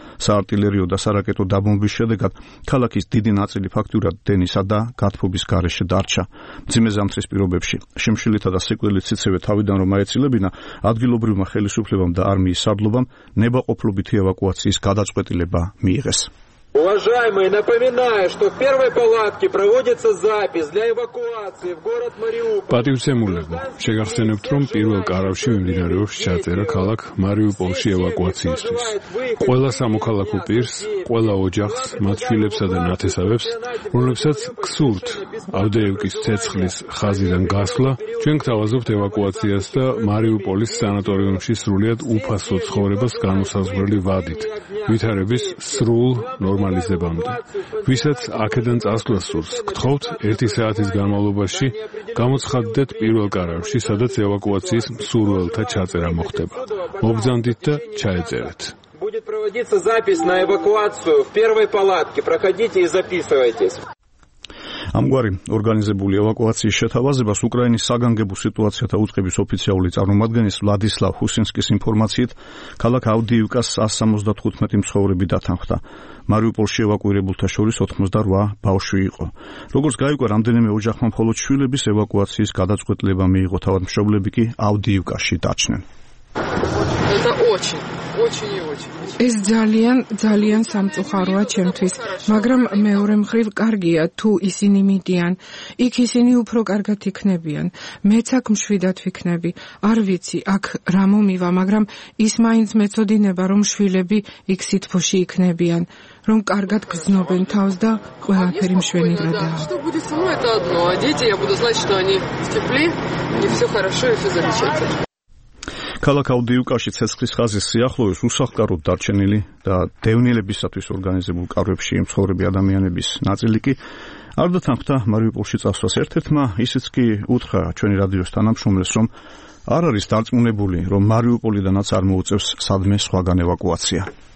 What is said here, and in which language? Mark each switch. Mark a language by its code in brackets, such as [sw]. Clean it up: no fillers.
[ka] საარტილერიო და სარაკეტო დაბომბვის შედეგად ქალაქის დიდი ნაწილი ფაქტურად დენისა და გათბობის გარეშე დარჩა. მძიმე ზამთრის პირობებში შიმშილითა და სიკვდილით სიცივე თავიდან რომ აეცილებინა, ადგილობრივმა ხელისუფლებამ და არმიის სარდლობამ ნებაყოფლობითი ევაკუაციის გადაწყვეტილება მიიღეს. [ru] Уважаемые, напоминаю, что в первой палатке проводится запись для эвакуации в город Мариуполь. [ka] Патиуцемулев, შეგახსენებთ, რომ პირველ კარავში მიმდინარეობს ჩაწერა ქალაქ მარიუპოლში ევაკუაციისთვის. ყველა სამოქალაქო პირს, ყველა ოჯახს, მათ შვილებსა და ნათესავებს, რომლებსაც ქსურთ ავდეევკის ცეცხლის ხაზიდან გასვლა, ჩვენ გთავაზობთ ევაკუაციას და მარიუპოლის სანატორიუმში სრულიად უფასო ცხოვრების განუსაზღვრელი ვადით. ვითარების სრულ ნორმალიზებამდე. ვისაც აქედან წასვლას სურს, გთხოვთ, ერთი საათის განმავლობაში გამოცხადდეთ პირველ კარავში, სადაც ევაკუაციის მსურველთა ჩაწერა მოხდება. მობრძანდით და ჩაეწერეთ. [ru] Будет проводиться запись на эвакуацию в первой палатке. Проходите и записывайтесь. [ka] ამგვარი ორგანიზებული ევაკუაციის შეთავაზებას უკრაინის საგანგებო სიტუაციათა უწყების ოფიციალური წარმომადგენლის ვლადისლავ ჰუსინსკის ინფორმაციით, ქალაქ ავდიივკას 175 მცხოვრები დათანხმდა. მარიუპოლში ევაკუირებულთა შორის 88 ბავშვი იყო. როგორც გაიგო, რამდენიმე ოჯახმა მხოლოდ შვილების ევაკუაციის გადაწყვეტლება მიიღო, თავად მშობლები კი ავდიივკაში დაჩნენ. ეს ძალიან, ძალიან სამწუხაროა ჩემთვის, მაგრამ მეორე მხრივ კარგია, თუ ისინი მიდიან. იქ ისინი უფრო კარგად იქნებიან. მეც აქ მშვიდად ვიქნები. არ ვიცი, აქ რა მომივა, მაგრამ ის მაინც მეცოდინება, რომ შვილები იქ სითბოში იქნებიან, რომ კარგად გრძნობენ თავს და ყველაფერი მშვენივრადაა. [ru] Что будет со мной это одно. А дети, я буду знать, что они в тепле, и всё хорошо, и всё замечательно. [ka] ქალაქ ავდიივკაში ცეცხლის ხაზის სიახლოვეს უსახლკაროდ დარჩენილი და დევნილებისათვის ორგანიზებულ კარვებში მცხოვრები ადამიანების ნაწილი კი არ დათანხმდა მარიუპოლში წასვლას. ერთ-ერთმა ისიც კი უთხრა ჩვენი რადიოს თანამშრომლეს, რომ არ არის დარწმუნებული, რომ მარიუპოლიდანაც არ მოუწევს სადმე სხვაგან ევაკუაცია.